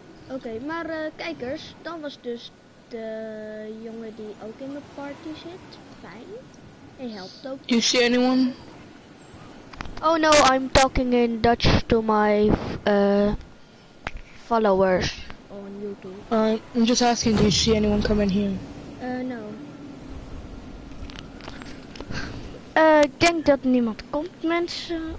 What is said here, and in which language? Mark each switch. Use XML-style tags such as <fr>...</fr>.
<nl>Oké, maar kijkers, dan was dus de jongen die ook in mijn party zit. Fijn. Hij helpt ook.</nl> <en>You see anyone? Oh no, I'm talking in Dutch to my followers. On YouTube. I'm just asking, do you see anyone come in here? No.</en> <nl>Ik denk dat niemand komt, mensen.</nl>